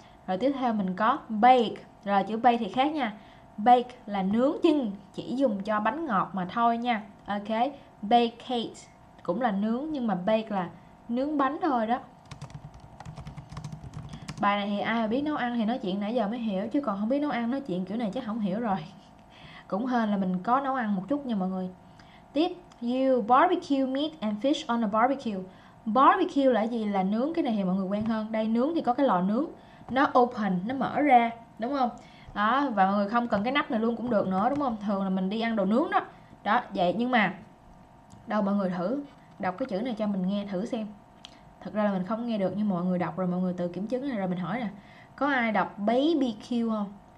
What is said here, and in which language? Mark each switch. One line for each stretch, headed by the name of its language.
Vietnamese: Rồi tiếp theo mình có bake. Rồi, chữ bake thì khác nha. Bake là nướng nhưng chỉ dùng cho bánh ngọt mà thôi nha. Ok, bake cake cũng là nướng nhưng mà bake là nướng bánh thôi đó. Bài này thì ai mà biết nấu ăn thì nói chuyện nãy giờ mới hiểu, chứ còn không biết nấu ăn nói chuyện kiểu này chắc không hiểu rồi. Cũng hên là mình có nấu ăn một chút nha mọi người.
English: Tiếp, you barbecue meat and fish on a barbecue.
Vietnamese: Barbecue là gì? Là nướng. Cái này thì mọi người quen hơn. Đây, nướng thì có cái lò nướng, nó open, nó mở ra, đúng không? Đó, và mọi người không cần cái nắp này luôn cũng được nữa, đúng không? Thường là mình đi ăn đồ nướng đó. Đó, vậy nhưng mà đâu, mọi người thử đọc cái chữ này cho mình nghe thử xem. Thật ra là mình không nghe được nhưng mọi người đọc rồi, mọi người tự kiểm chứng này. Rồi mình hỏi nè, có ai đọc BBQ không?